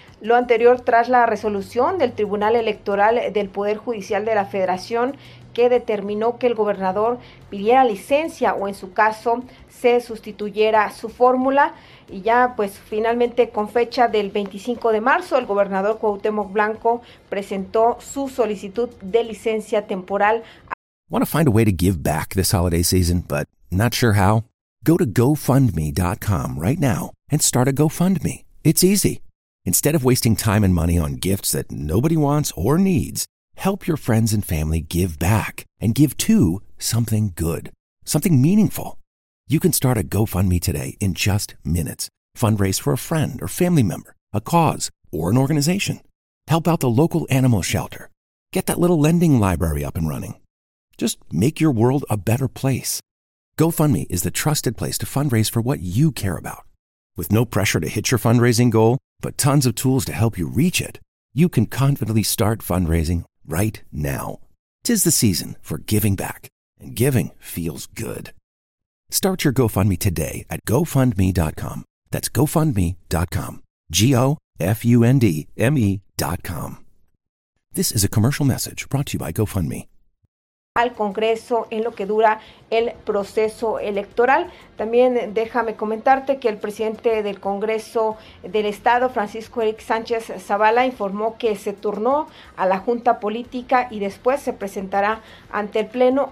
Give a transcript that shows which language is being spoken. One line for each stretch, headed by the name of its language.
Spanish: Lo anterior tras la resolución del Tribunal Electoral del Poder Judicial de la Federación que determinó que el gobernador pidiera licencia o en su caso se sustituyera su fórmula. Y ya pues finalmente con fecha del 25 de marzo el gobernador Cuauhtémoc Blanco presentó su solicitud de licencia temporal.
English: Want to find a way to give back this holiday season but not sure how? Go to GoFundMe.com right now and start a GoFundMe. It's easy. Instead of wasting time and money on gifts that nobody wants or needs, help your friends and family give back and give to something good, something meaningful. You can start a GoFundMe today in just minutes. Fundraise for a friend or family member, a cause, or an organization. Help out the local animal shelter. Get that little lending library up and running. Just make your world a better place. GoFundMe is the trusted place to fundraise for what you care about. With no pressure to hit your fundraising goal, but tons of tools to help you reach it, you can confidently start fundraising right now. 'Tis the season for giving back, and giving feels good. Start your GoFundMe today at GoFundMe.com. That's GoFundMe.com. GoFundMe.com. This is a commercial message brought to you by GoFundMe.
Spanish: Al Congreso en lo que dura el proceso electoral. También déjame comentarte que el presidente del Congreso del Estado, Francisco Eric Sánchez Zavala, informó que se turnó a la Junta Política y después se presentará ante el Pleno.